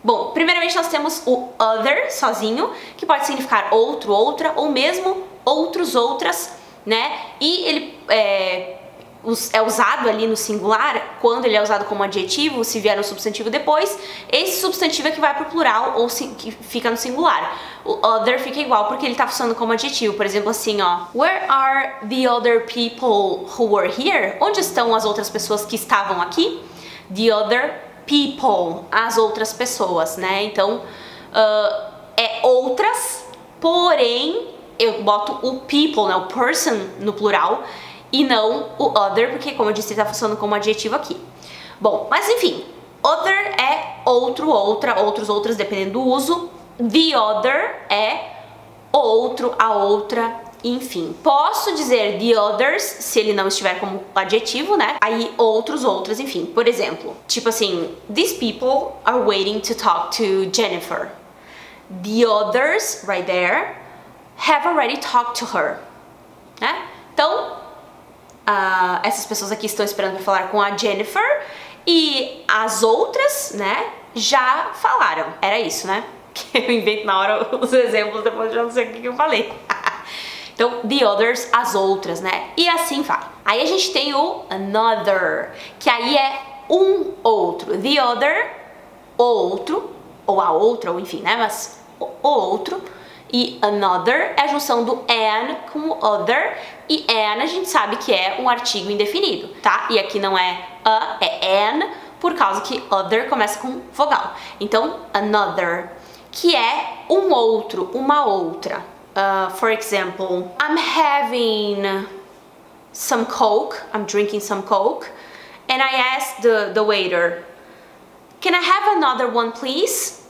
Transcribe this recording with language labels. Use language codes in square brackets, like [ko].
[pt] Bom, primeiramente nós temos o other sozinho, que pode significar outro, outra ou mesmo outros, outras, né? E ele é usado ali no singular quando ele é usado como adjetivo, se vier um substantivo depois, esse substantivo é que vai pro plural ou que fica no singular. O other fica igual porque ele tá funcionando como adjetivo. Por exemplo, assim, ó: [en] where are the other people who were here? [pt] Onde estão as outras pessoas que estavam aqui? [en] The other people, [pt] as outras pessoas, né? Então, é outras, porém eu boto o people, né, o person no plural, e não o other, porque como eu disse, ele tá funcionando como adjetivo aqui. Bom, mas enfim, other é outro, outra, outros, outras, dependendo do uso. The other é outro, a outra, enfim. Posso dizer the others, se ele não estiver como adjetivo, né? Aí outros, outras, enfim. Por exemplo, tipo assim: [en] these people are waiting to talk to Jennifer. The others, right there, have already talked to her, [pt] né? Então, essas pessoas aqui estão esperando pra falar com a Jennifer e as outras, né, já falaram. Era isso, né? Que eu invento na hora os exemplos, depois já não sei o que eu falei. Então, the others, as outras, né? E assim vai. Aí a gente tem o another, que aí é um outro. The other, outro, ou a outra, ou enfim, né? Mas o outro. E another é a junção do an com o other. E an a gente sabe que é um artigo indefinido, tá? E aqui não é a, é an, por causa que other começa com vogal. Então, another, que é um outro, uma outra. [en] For example, I'm having some coke, I'm drinking some coke, and I asked the waiter, can I have another one, please?